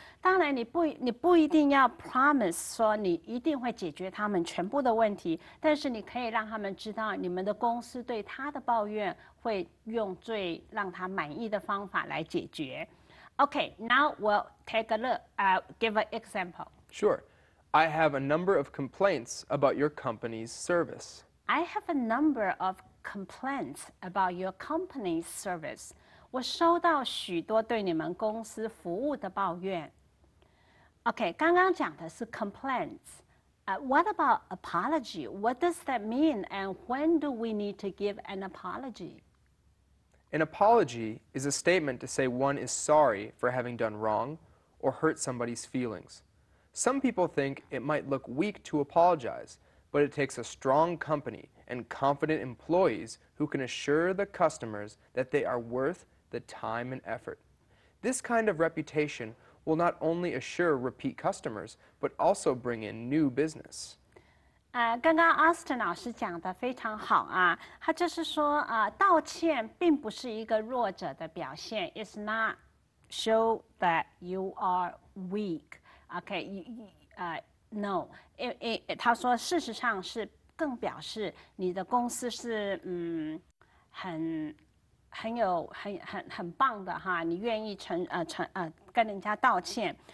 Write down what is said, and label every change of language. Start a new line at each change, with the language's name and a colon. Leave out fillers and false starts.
Chinese: 当然你不一定要 promise 说你一定会解决他们全部的问题，但是你可以让他们知道你们的公司对他的抱怨会用最让他满意的方法来解决。
English: Okay, now we'll take a look, give an example. Sure. I have a number of complaints about your company's service. I have a number of complaints about your company's service.
Chinese: 我收到许多对你们公司服务的抱怨。 OK, 刚刚讲的是 complaints.
English: What about apology? What does that mean? And when do we need to give an apology? An apology is a statement to say one is sorry for having done wrong or hurt somebody's feelings. Some people think it might look weak to apologize, but it takes a strong company and confident employees who can assure the customers that they are worth the time and effort. This kind of reputation will not only assure repeat customers, but also bring in new business.
Chinese: 刚刚 Austin 老师讲的非常好啊，他就是说道歉并不是一个弱者的表现。
English: It's not show that you are weak. Okay, no.
Chinese: 他说事实上是更表示你的公司是很棒的哈，你愿意跟人家道歉。